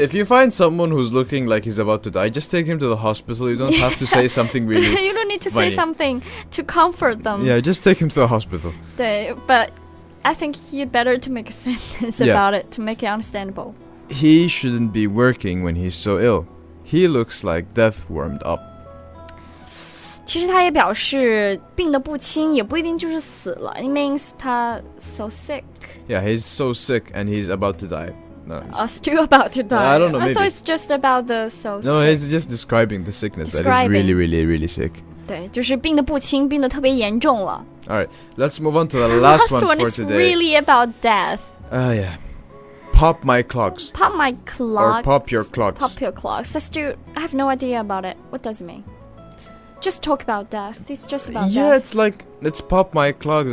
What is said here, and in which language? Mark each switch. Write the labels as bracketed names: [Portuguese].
[English] If you find someone who's looking like he's about to die, just take him to the hospital. You don't have to say something really You don't need to say something to comfort them. Yeah, just take him to the hospital. 对, but I think he'd better to make a sentence about it to make it understandable. He shouldn't be working when he's so ill. He looks like death warmed up. [Chinese] 其实他也表示病得不轻，也不一定就是死了。 [English] It means he's so sick. Yeah, he's so sick and he's about to die. Still about to die. I don't know, maybe. I thought it's just about the so sick. No, he's just describing the sickness. That is really, really, really sick. [Chinese] 对，就是病得不轻，病得特别严重了。 [English] Alright, let's move on to the last one for today. Last one is really about death. Yeah. Pop my clogs. Pop my clogs. Or pop your clogs. Pop your clogs. I have no idea about it. What does it mean? Just talk about death. It's just about death. Yeah, it's like, it's pop my clogs.